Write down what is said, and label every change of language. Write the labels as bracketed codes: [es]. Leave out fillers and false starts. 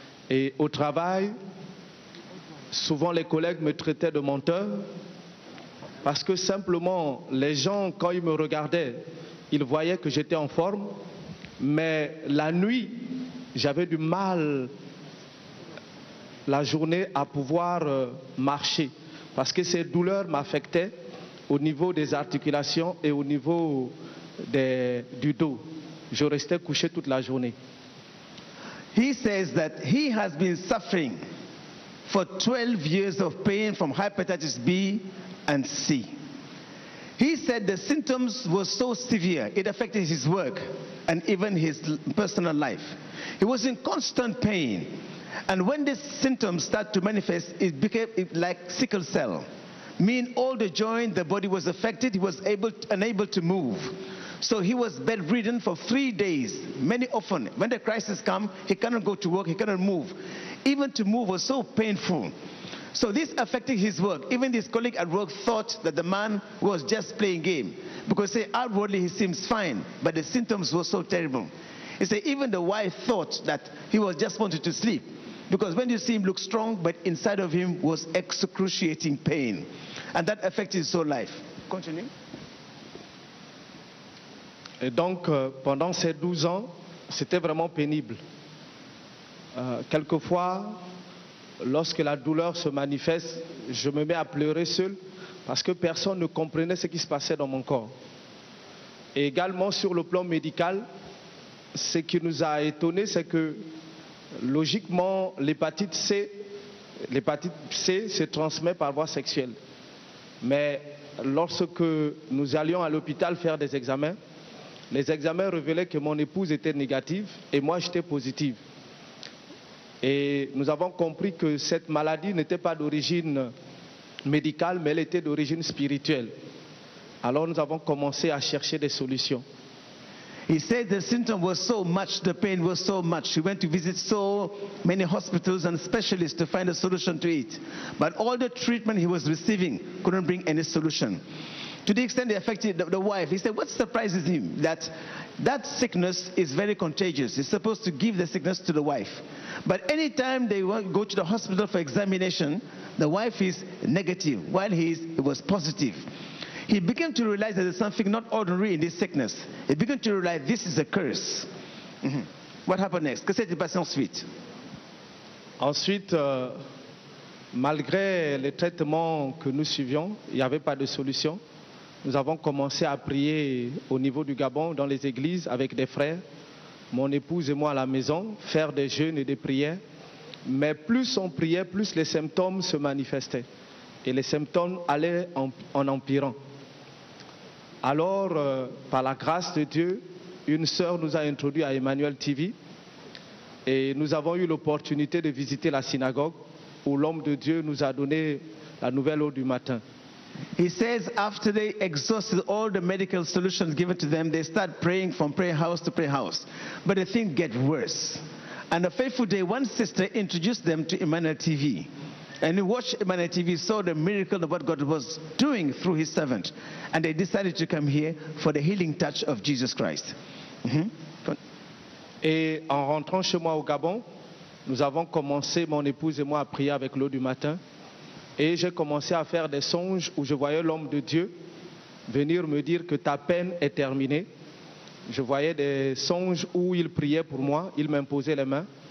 [fr] Et au travail, souvent les collègues me traitaient de menteur parce que simplement les gens, quand ils me regardaient, ils voyaient que j'étais en forme, mais la nuit, j'avais du mal la journée à pouvoir marcher parce que ces douleurs m'affectaient au niveau des articulations et au niveau du dos. Je restais couché toute la journée. [en] He says that he has been suffering for 12 years of pain from hepatitis B and C. He said the symptoms were so severe, it affected his work and even his personal life. He was in constant pain. And when these symptoms start to manifest, it became like sickle cell. Meaning all the joints, the body was affected, he was unable to move. So he was bedridden for 3 days, many often. When the crisis come, he cannot go to work, he cannot move. Even to move was so painful. So this affected his work. Even his colleague at work thought that the man was just playing game. Because say, outwardly he seems fine, but the symptoms were so terrible. He said even the wife thought that he was just wanted to sleep. Because when you see him look strong, but inside of him was excruciating pain. And that affected his whole life. Continue. [fr] Et donc, pendant ces 12 ans, c'était vraiment pénible. Quelquefois, lorsque la douleur se manifeste, je me mets à pleurer seul parce que personne ne comprenait ce qui se passait dans mon corps. Et également, sur le plan médical, ce qui nous a étonnés, c'est que logiquement, l'hépatite C se transmet par voie sexuelle. Mais lorsque nous allions à l'hôpital faire des examens, les examens révélaient que mon épouse était négative et moi j'étais positive. Et nous avons compris que cette maladie n'était pas d'origine médicale, mais elle était d'origine spirituelle. Alors nous avons commencé à chercher des solutions. [en] He said the symptom was so much, the pain was so much. He went to visit so many hospitals and specialists to find a solution to it. But all the treatment he was receiving couldn't bring any solution. To the extent they affected the wife, he said, what surprises him? That sickness is very contagious. It's supposed to give the sickness to the wife. But any time they go to the hospital for examination, the wife is negative, while it was positive. He began to realize that there's something not ordinary in this sickness. He began to realize this is a curse. Mm-hmm. What happened next? [fr] Que s'est-il passé ensuite? Ensuite, malgré les traitements que nous suivions, il n'y avait pas de solution. Nous avons commencé à prier au niveau du Gabon, dans les églises, avec des frères, mon épouse et moi à la maison, faire des jeûnes et des prières. Mais plus on priait, plus les symptômes se manifestaient. Et les symptômes allaient en empirant. Alors, par la grâce de Dieu, une sœur nous a introduit à Emmanuel TV. Et nous avons eu l'opportunité de visiter la synagogue, où l'homme de Dieu nous a donné la nouvelle eau du matin. [en] He says after they exhausted all the medical solutions given to them, they start praying from prayer house to prayer house. But the thing get worse. And a faithful day, one sister introduced them to Emmanuel TV. And he watched Emmanuel TV, saw the miracle of what God was doing through his servant. And they decided to come here for the healing touch of Jesus Christ. Mm-hmm. [fr] Et en rentrant chez moi au Gabon, nous avons commencé, mon épouse et moi, à prier avec l'eau du matin. Et j'ai commencé à faire des songes où je voyais l'homme de Dieu venir me dire que ta peine est terminée. Je voyais des songes où il priait pour moi, il m'imposait les mains.